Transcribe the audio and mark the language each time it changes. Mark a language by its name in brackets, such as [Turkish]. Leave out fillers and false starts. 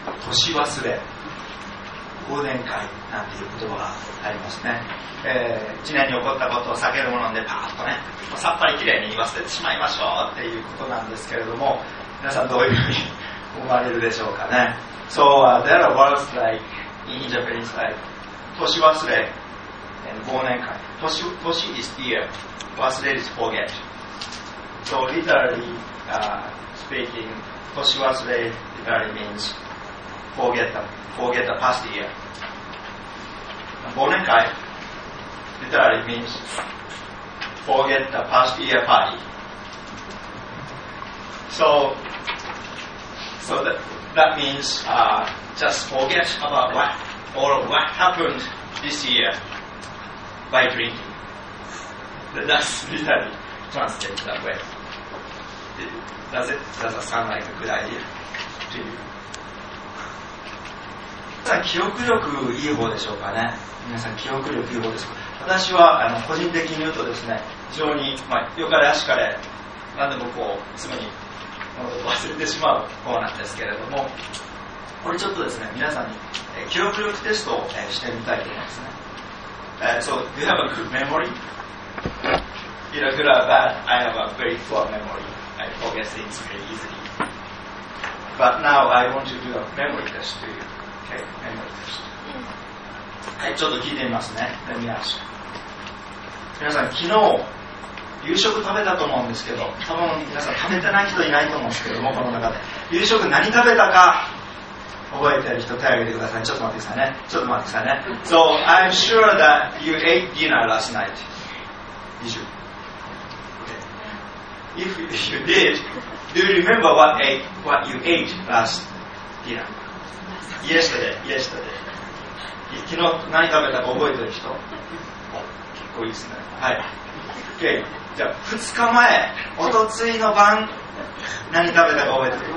[Japanese] 年忘れ、忘年会なんていう言葉がありますね。一年に起こったことを避けるものでパーッとね、さっぱりきれいに言わせてしまいましょうっていうことなんですけれども、皆さんどういうふうに思われるでしょうかね。 [English] So there are words like in Japanese like 年忘れ、忘年会。年 is year, 忘れ is forget. So literally speaking, 年忘れ literally means forget the past year. 忘年会 literally means forget the past year party. So that means just forget about what happened this year by drinking. That's literally translated that way. Does it sound like a good idea to you? [Japanese] 皆さん記憶力いい方でしょうかね。皆さん記憶力いい方ですか。私は個人的に言うとですね、非常に、よかれあしかれ何でもこうすぐに忘れてしまう方なんですけれども、これちょっとですね、皆さんに記憶力テストをしてみたいと思いますね。 [English] So do you have a good memory? Either good or bad, I have a very poor memoryI forget things very easily. But now I want to do a memory test to you. Okay, memory test. [Japanese] はい、ちょっと聞いてみますね。 [English] Let me ask. [Japanese] 皆さん、昨日夕食食べたと思うんですけど、多分皆さん食べてない人いないと思うんですけども、この中で。夕食何食べたか覚えてる人手を挙げてください。ちょっと待ってくださいね。ちょっと待ってくださいね。 [English] So I'm sure that you ate dinner last night. Did you? If you did, do you remember what you ate last dinner? Yesterday. [Japanese] 昨日何食べたか覚えてる人？結構いいですね。はい。Okay. じゃあ、2日前、おとついの晩、何食べたか覚えてる？